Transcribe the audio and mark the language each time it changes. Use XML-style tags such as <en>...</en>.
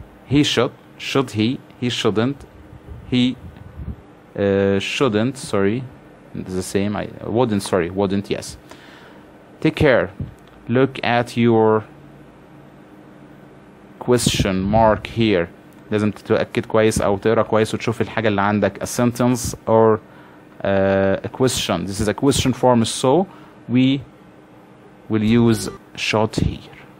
<en>he should he shouldn't, he shouldn't, sorry, it's the same, I wouldn't, sorry, wouldn't, yes. Take care, look at your question mark here.</en> <ar>لازم تتأكد كويس أو تقرأ كويس وتشوف الحاجة اللي عندك.</ar> <en>A sentence or a question. This is a question form, so we will use should here.</en>